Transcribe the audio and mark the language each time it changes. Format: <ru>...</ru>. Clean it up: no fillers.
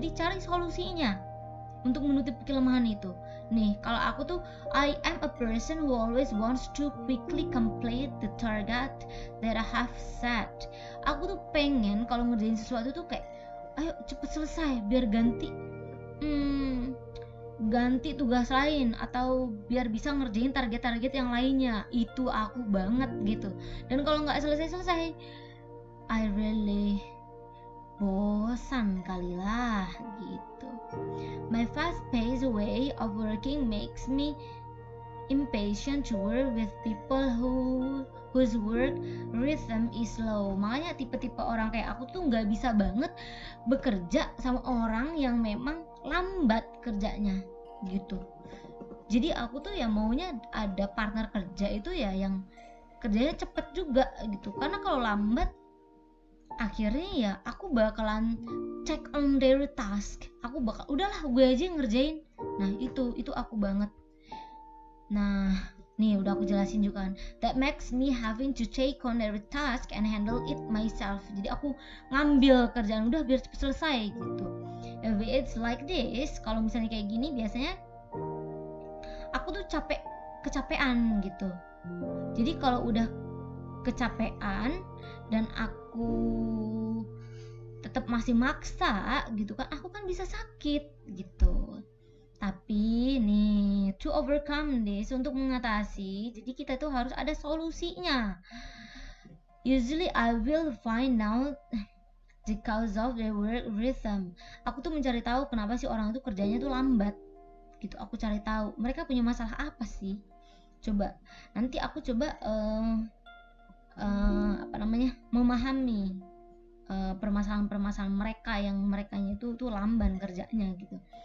<id>Jadi cari solusinya untuk menutupi kelemahan itu. Nih, kalau aku tuh</id> <en>I am a person who always wants to quickly complete the target that I have set.</en> <id>Aku tuh pengen kalau ngerjain sesuatu tuh kayak ayo cepet selesai biar ganti tugas lain atau biar bisa ngerjain target-target yang lainnya. Itu aku banget gitu. Dan kalau enggak selesai-selesai,</id> <en>I really</en> <id>bosan kali lah gitu.</id> <en>My fast-paced way of working makes me impatient to work with people whose work rhythm is slow.</en> <id>Makanya tipe-tipe orang kayak aku tuh enggak bisa banget bekerja sama orang yang memang lambat kerjanya gitu. Jadi aku tuh ya maunya ada partner kerja itu ya yang kerjanya cepet juga gitu. Karena kalau lambat, akhirnya ya aku bakalan</id> <en>check on their task.</en> <id>Aku bakal udahlah gue aja yang ngerjain. Nah, itu aku banget. Nah, nih udah aku jelasin juga kan.</id> <en>That makes me having to take on their task and handle it myself.</en> <id>Jadi aku ngambil kerjaan udah biar cepet selesai gitu.</id> <en>If it's like this,</en> <id>kalau misalnya kayak gini biasanya aku tuh capek, kecapean gitu. Jadi kalau udah kecapean dan aku tetap masih maksa gitu kan, aku kan bisa sakit gitu. Tapi nih,</id> <en>to overcome this,</en> <id>untuk mengatasi, jadi kita tuh harus ada solusinya.</id> <en>Usually I will find out the cause of their work rhythm.</en> <id>Aku tuh mencari tahu kenapa sih orang itu kerjanya tuh lambat. Gitu, aku cari tahu mereka punya masalah apa sih. Coba nanti aku coba apa namanya, memahami permasalahan-permasalahan mereka yang merekanya itu tuh lamban kerjanya gitu.</id>